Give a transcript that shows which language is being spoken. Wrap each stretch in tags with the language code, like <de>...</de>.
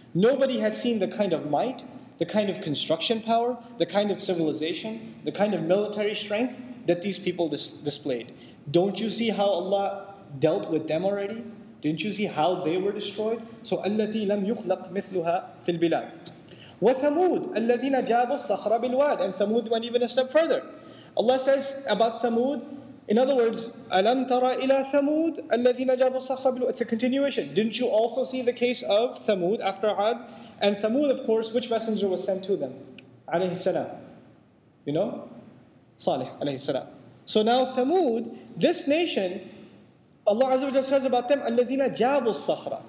<en>Nobody had seen the kind of might, the kind of construction power, the kind of civilization, the kind of military strength that these people displayed. Don't you see how Allah dealt with them already? Didn't you see how they were destroyed? So,</en> <ar>أَلَّتِي لَمْ يُخْلَقْ مِثْلُهَا فِي الْبِلَادِ. وَثَمُودَ الَّذِينَ جَابُوا الصَّخْرَ بِالْوَادِ.</ar> <en>And Thamud went even a step further. Allah says about Thamud, in other words,</en> <ar>أَلَمْ تَرَ إِلَى ثَمُودَ الَّذِينَ جَابُوا الصَّخْرَ بِالْوَادِ.</ar> <en>It's a continuation. Didn't you also see the case of Thamud after Ad? And Thamud, of course, which messenger was sent to them? Alayhi salam. You know? Salih, alayhi salam. So now Thamud, this nation, Allah Azza wa Jalla says about them,</en> <ar>أَلَّذِينَ جَابُوا الصَّخْرَ.</ar>